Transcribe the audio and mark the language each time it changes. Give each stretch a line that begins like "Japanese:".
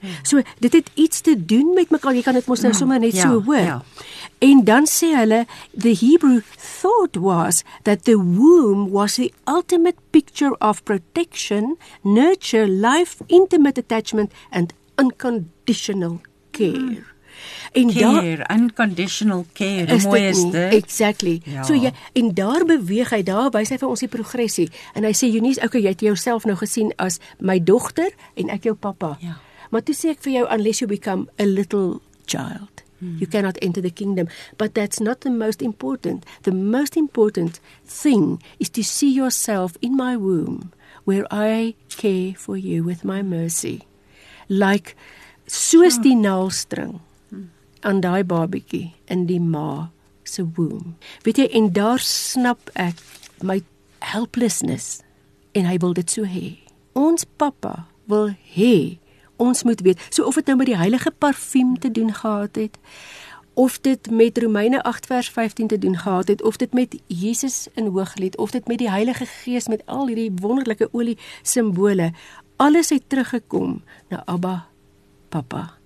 Afrikaans: So, dit het iets te doen met mekaar. Jy kan dit mos nou sommer net so hoor. Ja. En dan sê hulle,
English: the Hebrew thought was that the womb was the ultimate picture of protection, nurture, life, intimate attachment and unconditional care.
Afrikaans: En care, daar,
English: unconditional care,
Afrikaans: is mooi is dit.
English: Exactly. Ja.
Afrikaans: So jy, en daar beweeg hy, daar wys hy vir ons die progressie. En hy sê, Eunice, okay, jy het jouself nou gesien as my dogter en ek jou papa. Ja. Maar toe sê ek vir jou,
English: unless you become a little child, you cannot enter the kingdom. But that's not the most important. The most important thing is to see yourself in my womb, where I care for you with my mercy.
Afrikaans: Like, soos die naalstring aan daai babietjie in die ma se womb. Weet jy, en daar snap ek my helplessness en hy wil dit so hê. Ons papa wil hê ons moet weet, so of dit nou met die heilige parfuum te doen gehad het, of dit met Romeine 8 vers 15 te doen gehad het, of dit met Jesus in Hooglied, of dit met die Heilige Gees met al hierdie wonderlike olie simbole, alles het teruggekom na Abba, Papa.